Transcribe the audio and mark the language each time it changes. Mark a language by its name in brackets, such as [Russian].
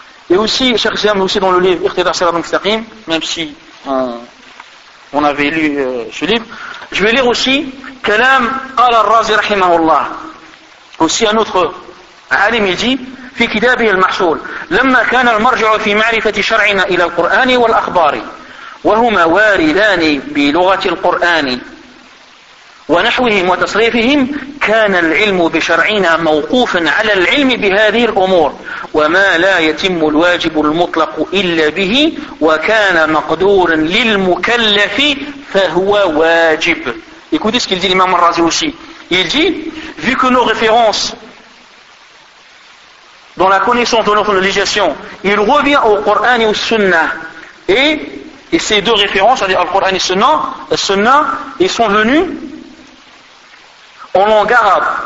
[French] Et aussi, Cheikh Ziyam, aussi dans le livre Iqtida Sirat al-Mustaqim, même si on avait lu ce livre, je vais lire aussi Kalam al-Razi rahimahullah. Aussi un autre alim, il dit [Arabic] في كتابه المحصول لما كان المرجع في معرفة شرعنا إلى القرآن والأخبار وهما واردان بلغة القرآن ونحوهم وتصريفهم كان العلم بشرعنا موقوفا على العلم بهذه الأمور وما لا يتم الواجب المطلق إلا به وكان مقدورا للمكلف فهو واجب. [French] Écoutez ce qu'il dit l'imam al-Razi aussi. Il dit, vu que nos références dans la connaissance de notre législation, il revient au Coran et au Sunnah. Et ces deux références, c'est-à-dire le Coran et le Sunnah, ils sont venus en langue arabe.